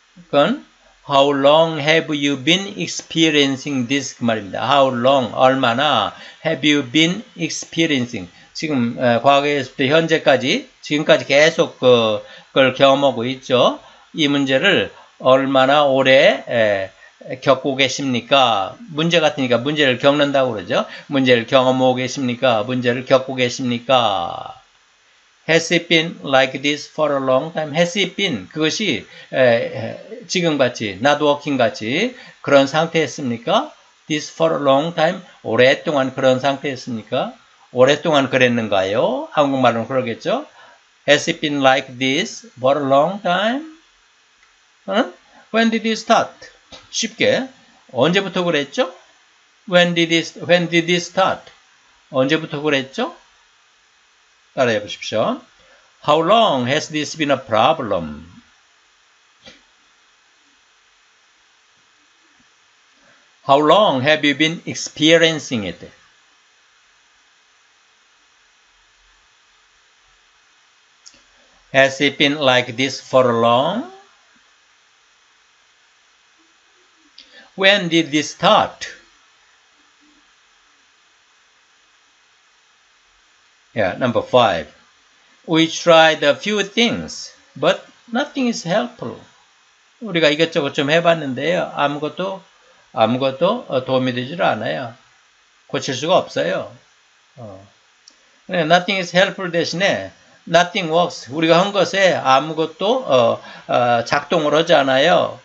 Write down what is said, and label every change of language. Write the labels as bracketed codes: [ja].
[ko] 그건 [en] How long have you been experiencing this? [ko] 그 말입니다. [en] How long, [ko] 얼마나 [en] have you been experiencing? [ko] 지금 과거에서부터 현재까지 지금까지 계속 그걸 경험하고 있죠. 이 문제를 얼마나 오래 겪고 계십니까? 문제 같으니까 문제를 겪는다고 그러죠. 문제를 경험하고 계십니까? 문제를 겪고 계십니까? [en] Has it been like this for a long time? Has it been? [ko] 그것이 지금같이, [en] not working같이 [ko] 그런 상태였습니까? [en] This for a long time? [ko] 오랫동안 그런 상태였습니까? 오랫동안 그랬는가요? 한국말로는 그러겠죠? [en] Has it been like this for a long time? When did it start? [ko] 쉽게. 언제부터 그랬죠? [en] When did it start? [ko] 언제부터 그랬죠? 따라해 보십시오. [en] How long has this been a problem? How long have you been experiencing it? Has it been like this for long? When did this start? Yeah, number 5. We tried a few things, but nothing is helpful. [ko] 우리가 이것저것 좀 해봤는데요. 아무것도 도움이 되질 않아요. 고칠 수가 없어요. [en] Nothing is helpful [ko] 대신에 [en] nothing works. [ko] 우리가 한 것에 아무것도 작동을 하지 않아요.